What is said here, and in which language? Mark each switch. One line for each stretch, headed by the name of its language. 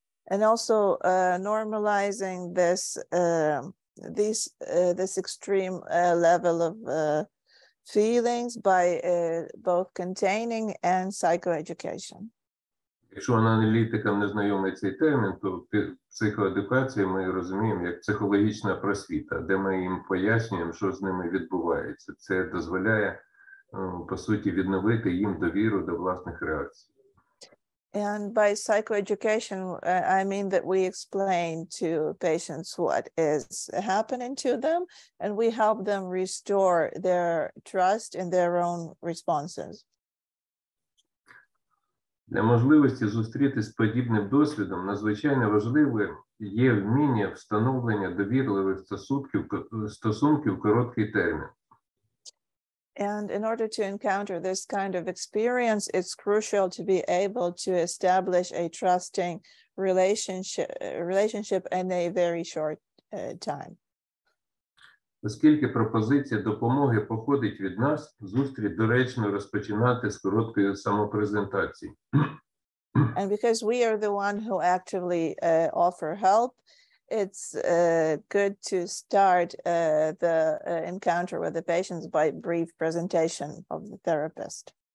English: And also normalizing this extreme level of feelings by both containing and psychoeducation.
Ukrainian: Якщо аналітикам не знайомий цей термін, то психоедукацію ми розуміємо як психологічна просвіта, де ми їм пояснюємо, що з ними відбувається. Це дозволяє, по суті, відновити їм довіру до власних реакцій.
English: And by psychoeducation, I mean that we explain to patients what is happening to them, and we help them restore their trust in their own responses.
Ukrainian: Для можливості зустрітись з подібним досвідом надзвичайно важливе є вміння встановлення довірливих стосунків в короткий термін.
English: And in order to encounter this kind of experience, it's crucial to be able to establish a trusting relationship in a very short time.
Ukrainian: Оскільки пропозиція допомоги походить від нас, зустріч доречно розпочинати з короткої самопрезентації.
English: And because we are the one who actively offer help, it's good to start the encounter with the patients by brief presentation of the therapist.